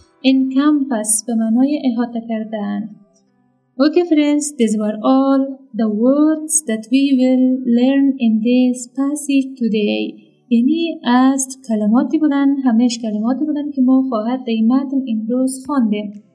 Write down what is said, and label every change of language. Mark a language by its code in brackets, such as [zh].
[fa] Encompass به معنای احاطه کردن. [en] Okay friends, these were all the words that we will learn in this passage today. [fa] یعنی از کلماتی بودن، همهش کلماتی بودن که ما خواهد در این متن امروز خواندیم.